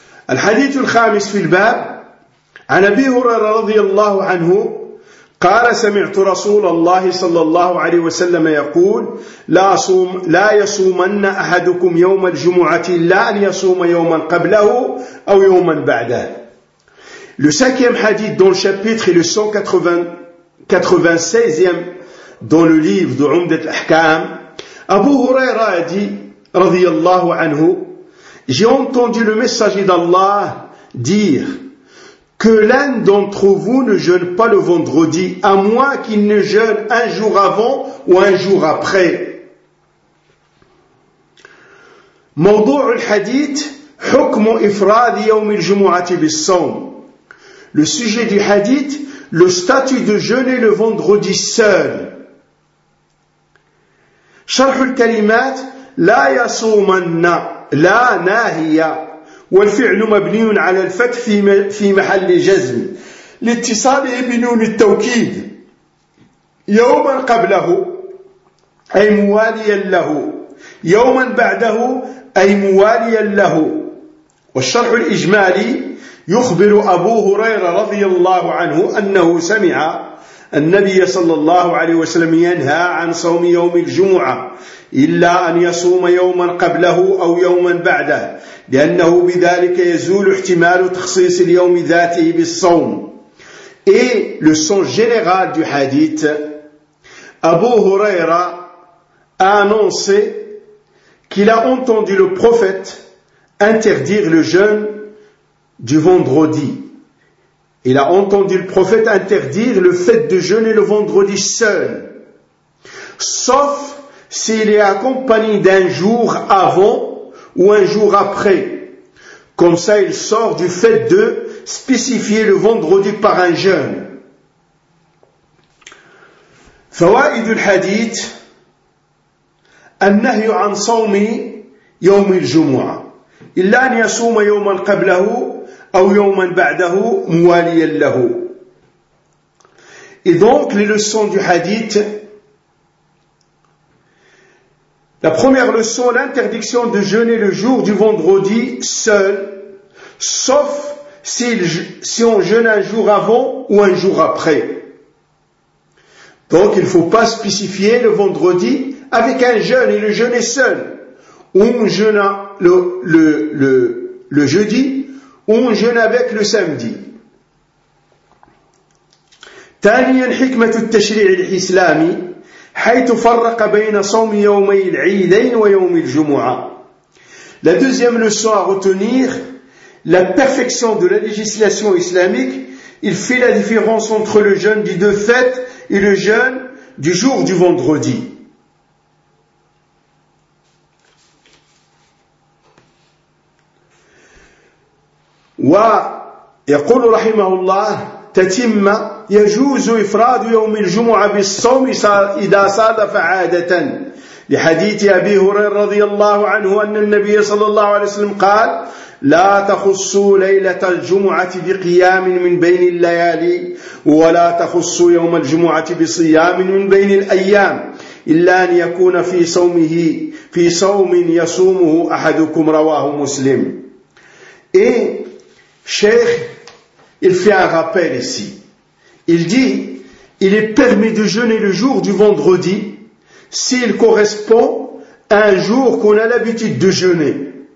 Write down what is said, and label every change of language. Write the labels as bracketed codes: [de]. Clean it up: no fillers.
[ar] الحديث الخامس في الباب عن أبي هريرة رضي الله عنه قال سمعت رسول الله صلى الله عليه وسلم يقول لا يصومن أحدكم يوم الجمعة إلا أن يصوم يوما قبله أو يوما بعده. [fr] Le cinquième hadith dans le chapitre et le 196e dans le livre de Umdat al-Ahkam, Abu Huraira a dit, [ar] radiyallahu anhu, [fr] j'ai entendu le messager d'Allah dire que l'un d'entre vous ne jeûne pas le vendredi, à moins qu'il ne jeûne un jour avant ou un jour après. [ar] موضوع الحديث حكم إفراد يوم الجمعة بالصوم. [fr] Le sujet du hadith, le statut de jeûner le vendredi seul. [ar] شرح الكلمات لا يصومن لا ناهية والفعل مبني على الفتح في محل جزم لاتصاله بنون التوكيد يوما قبله أي مواليا له يوما بعده أي مواليا له. والشرح الإجمالي يخبر أبو هريرة رضي الله عنه أنه سمع النبي صلى الله عليه وسلم ينهى عن صوم يوم الجمعة إلا أن يصوم يوما قبله أو يوما بعده لأنه بذلك يزول احتمال تخصيص اليوم ذاته بالصوم. [fr] Et le sens général du hadith, Abu Huraira a annoncé qu'il a entendu le prophète interdire le jeûne du vendredi. Il a entendu le prophète interdire le fait de jeûner le vendredi seul, sauf s'il est accompagné d'un jour avant ou un jour après. Comme ça, il sort du fait de spécifier le vendredi par un jeûne. [ar] فوائد الحديث النهي عن صوم يوم الجمعة إلا أن يصوم يوما قبله أو يوما بعده مواليا له. [fr] Et donc les leçons du hadith. La première leçon, l'interdiction de jeûner le jour du vendredi seul, sauf si on jeûne un jour avant ou un jour après. Donc il ne faut pas spécifier le vendredi avec un jeûne et le jeûner seul. On jeûne le jeudi. On jeûne avec le samedi. [ar] ثانيا حكمة التشريع الإسلامي حيث فرق بين صوم يومي العيدين ويوم الجمعة. [fr] La deuxième leçon à retenir, la perfection de la législation islamique, il fait la différence entre le jeûne des deux fêtes et le jeûne du jour du vendredi. [ar] ويقول رحمه الله تتم يجوز إفراد يوم الجمعة بالصوم إذا صادف عادة لحديث أبي هريرة رضي الله عنه أن النبي صلى الله عليه وسلم قال لا تخصوا ليلة الجمعة بقيام من بين الليالي ولا تخصوا يوم الجمعة بصيام من بين الأيام إلا أن يكون في صومه في صوم يصومه أحدكم رواه مسلم. [fr] إيه Cheikh, il fait un rappel ici. Il dit, il est permis de jeûner le jour du vendredi s'il correspond à un jour qu'on a l'habitude de jeûner.